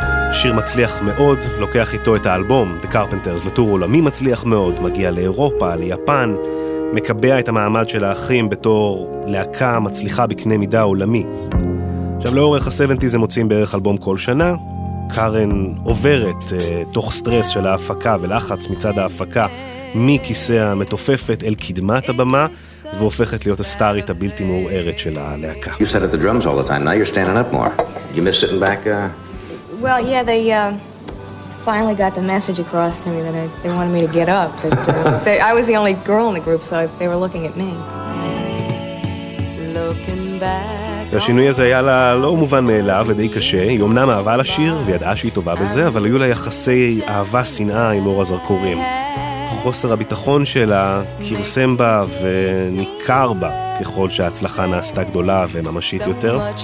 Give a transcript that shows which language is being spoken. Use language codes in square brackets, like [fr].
[he] השיר מצליח מאוד, לוקח איתו את האלבום The Carpenters לטור עולמי מצליח מאוד, מגיע לאירופה, ליפן, מקבע את המעמד של האחים בתור להקה מצליחה בקנה מידה עולמי. עכשיו לאורך ה-70's הם מוצאים בערך אלבום כל שנה. קארן עוברת תוך סטרס של ההפקה ולחץ מצד ההפקה מכיסא המתופפת אל קדמת הבמה והופכת להיות הסטארית הבלתי מעורערת של הלהקה. [en] You sat at the drums all the time, now you're standing up more. You miss sitting back? Well, yeah, they finally got the message across to me that they wanted me to get up. I was the only girl in the group, so they were looking at me. Looking back. [he] השינוי הזה היה לה לא מובן מאליו ודי קשה, היא אמנם אהבה לשיר וידעה שהיא טובה בזה, אבל היו לה יחסי אהבה שנאה עם אור הזרקורים. חוסר הביטחון שלה קרסם בה וניכר בה ככל שההצלחה נעשתה גדולה וממשית יותר.